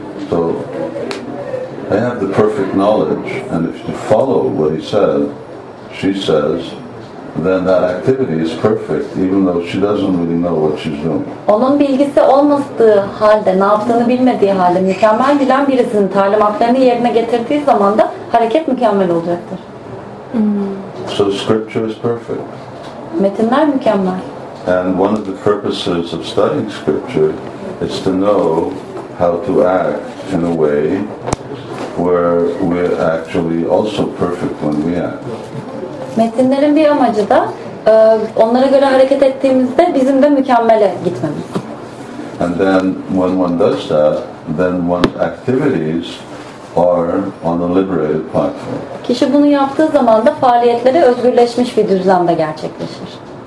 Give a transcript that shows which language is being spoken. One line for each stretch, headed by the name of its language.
English: So they have the perfect knowledge, and if you follow what he said, she says, then that activity is perfect, even though she doesn't really know what she's doing.
Turkish: Onun bilgisi olmadığı halde, ne yaptığını bilmediği halde, mükemmel bilen birisinin talimatlarını yerine getirdiği zaman da hareket mükemmel olacaktır.
English: So scripture is perfect.
Turkish: Metinler mükemmel.
English: And one of the purposes of studying scripture is to know how to act in a way where we're actually also perfect when we act.
Turkish: Metinlerin bir amacı da onlara göre hareket ettiğimizde bizim de mükemmele gitmemiz.
English: And then when one does that, then one's activities are on a liberated platform.
Turkish: Kişi bunu yaptığı zaman da faaliyetleri özgürleşmiş bir düzlemde gerçekleşir.